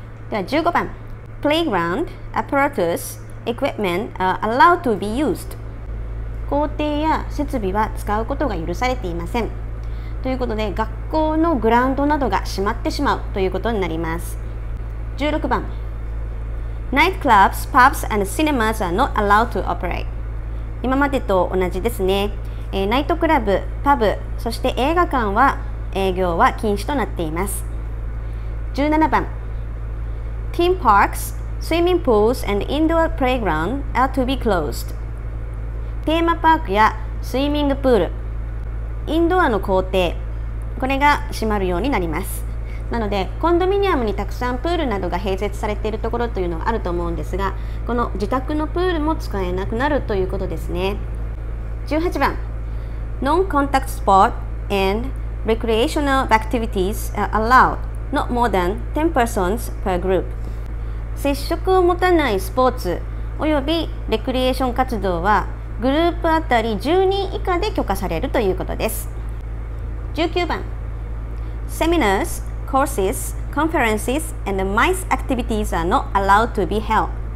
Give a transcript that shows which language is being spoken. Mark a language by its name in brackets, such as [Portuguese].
[Japanese] では15番 [English] Playground, apparatus, equipment are allowed to be used. [Japanese] 校庭や設備は使うことが許されていません。ということで学校のグラウンドなどが閉まってしまうということになります。 [English] 16番 Nightclubs, pubs and cinemas are not allowed to operate. [Japanese] 今までと同じですね。ナイトクラブ、パブ、そして映画館は営業は禁止となっています。 [English] 17番 Theme parks, swimming pools and indoor playground are to be closed. [Japanese] テーマパークやスイミングプール、インドアの校庭、これが閉まるようになります。なのでコンドミニアムにたくさんプールなどが併設されているところというのはあると思うんですが、この自宅のプールも使えなくなるということですね。 [English] 18番 Non-contact sport andRecreational activities are allowed, not more than 10 persons per group. [Japanese] 接触を持たないスポーツおよびレクリエーション活動はグループあたり10人以下で許可されるということです。 [English] 19番 Seminars, courses, conferences and MICE activities are not allowed to be held.